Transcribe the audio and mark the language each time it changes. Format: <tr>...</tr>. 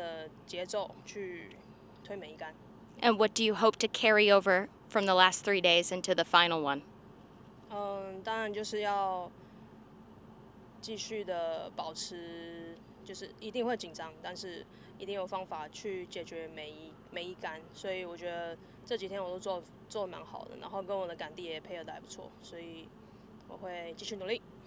<zh>我觉得最后一洞虽然第三推没有很靠近启动，但是其实有推进的话，对我的推杆是蛮有信心，有极大的信心，有蛮大的帮助。然后明天的话，我会继续用一样的节奏去推每一杆。</zh> <en>And what do you hope to carry over from the last 3 days into the final one?</en> <zh>当然就是要继续的保持，就是一定会紧张，但是一定有方法去解决每一杆。所以我觉得这几天我都做蛮好的，然后跟我的杆弟也配合得还不错，所以我会继续努力。</zh>